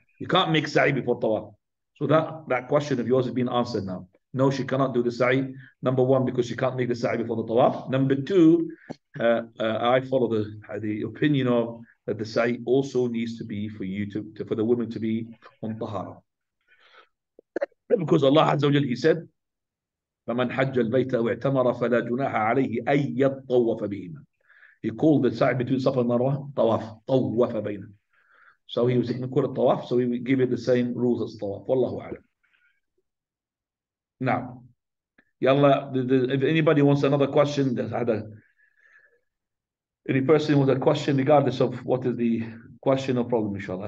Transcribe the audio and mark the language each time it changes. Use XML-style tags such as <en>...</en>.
<en>You can't make sa'i before Tawaf. So that question of yours has been answered now. No, she cannot do the sa'i. Number one, because she can't make the sa'i before the Tawaf. Number two, I follow the opinion of that the sa'i also needs to be for you to for the women to be on Tahara. Because Allah Azza wa Jalla, He said,</en> <ar>فَمَنْ حَجَّ الْبَيْتَ وَاِعْتَمَرَ فَلَا جُنَاهَ عَلَيْهِ أَيَّ طَوَّفَ بِهِمَا.</ar> <en>He called the sa'i between Safa and Marwa, Tawaf,</en> <ar>طَوَّفَ بَيْنَا.</ar> <en>So he was in the Tawaf, so he gave it the same rules as Tawaf. Wallahu a'lam. Now, yalla, if anybody wants another question, any person with a question, regardless of what is the question or problem, inshallah.</en>